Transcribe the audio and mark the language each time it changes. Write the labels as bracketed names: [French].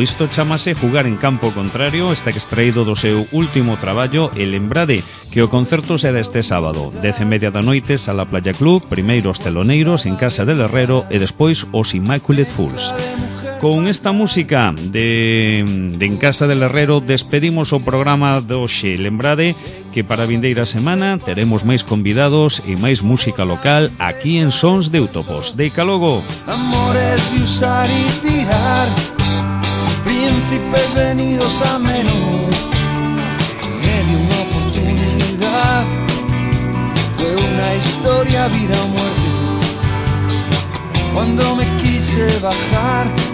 [Galician] Isto chamase Jugar en Campo Contrario, está extraído do seu último traballo, El Embrade, que o concerto será este sábado, 10:30 da noite, Sala Playa Club, primeiro os teloneiros En Casa del Herrero e despois os Immaculate Fools. Con esta música de En Casa del Herrero despedimos o programa de hoxe. Lembrade que para a vindeira semana teremos máis convidados e máis música local aquí en Sons de Utopos. Deica logo. [Spanish] Amores de usar y tirar, príncipes venidos a menos, me dio una oportunidad, fue una historia vida o muerte, cuando me quise bajar.